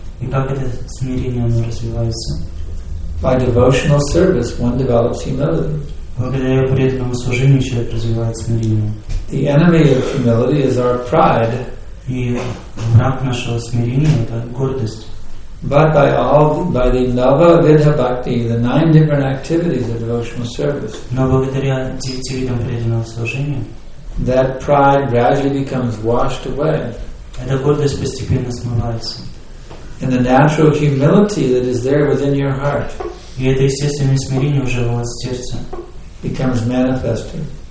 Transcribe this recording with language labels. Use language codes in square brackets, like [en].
[ru] И как это смирение оно развивается? [en] By devotional service, one develops humility. [ru] Благодаря преданному служению человек развивает смирение. [en] The enemy of humility is our pride. [ru] И враг нашего смирения — это гордость. [en] But by the Nava Vidha Bhakti, the nine different activities of devotional service. [ru] Но благодаря девяти видам преданного служения. [en] That pride gradually becomes washed away. [ru] Эта гордость постепенно смывается. [en] And the natural humility that is there within your heart becomes manifested.